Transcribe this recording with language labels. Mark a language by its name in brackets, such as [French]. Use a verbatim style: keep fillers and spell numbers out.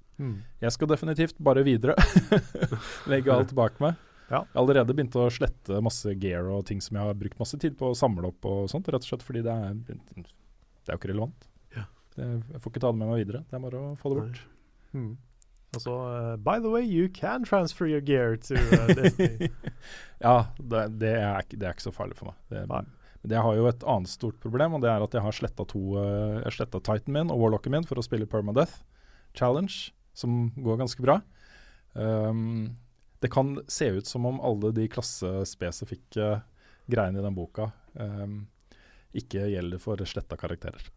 [Norwegian] Mm. Jeg skal definitivt bare videre, legge alt bak meg. Ja. Jeg har allerede begynt å slette masse gear og ting som jeg har brukt masse tid på å samle opp og sånt, rett og slett fordi det er, det er jo ikke relevant. Ja. Jeg får ikke ta det med meg videre, det er bare å få det bort. Mm. Og så, uh, [English] by the way, you can transfer your gear to uh, Destiny. [Norwegian] Ja, det, det, er, det er ikke så farlig for meg. Det, men jeg har jo et annet stort problem, og det er at jeg har sletta to, uh, sletta Titan min og Warlocken min for å spille Permadeath Challenge, som går ganske bra. Um, Det kan se ut som om alle de klassespesifikke greiene i den boka um, ikke gjelder for sletta karakterer.